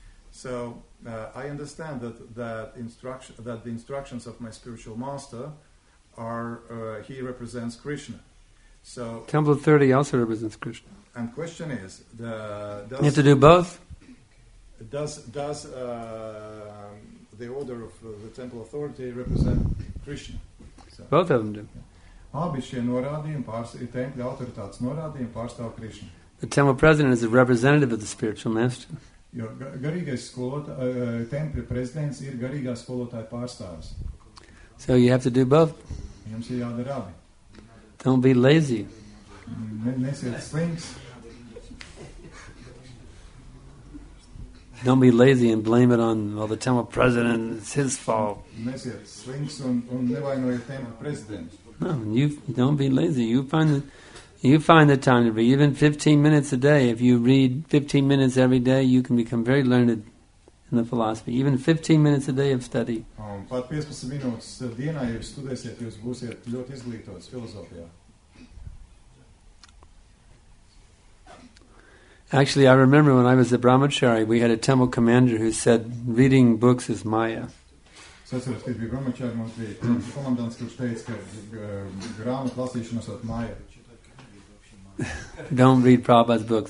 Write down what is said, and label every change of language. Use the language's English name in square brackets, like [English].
[English] So I understand that the instructions of my spiritual master are he represents Krishna. So temple 30 also represents Krishna. And question is, you have to do both. Does the order of the temple authority represent Krishna? So, both of them do. [Latvian] Abi šie norādījumi pārstāv tempļa autoritātes norādījumi pārstāv Krishna. [English] The temple president is a representative of the spiritual master. [Latvian] Jo garīgais skolotājs, tempļa prezidents ir garīgā skolotāja pārstāvis. [English] So you have to do both. [Latvian] Jums ir jādara abi. [English] Don't be lazy. [Latvian] Nesiet slinks. [English] Don't be lazy and blame it on, well, the temple president, it's his fault. [Latvian] Nesiet slinks un nevainojiet [English] temple president. No, you don't be lazy. You find the time to read. Even 15 minutes a day. If you read 15 minutes every day, you can become very learned in the philosophy. Even 15 minutes a day of study. [Latvian] Pat 15 minūtes dienā, ja jūs studēsiet, jūs būsiet ļoti izglītots filozofijā. [English] Actually, I remember when I was a brahmachari, we had a temple commander who said, reading books is maya. Don't read Prabhupada's books.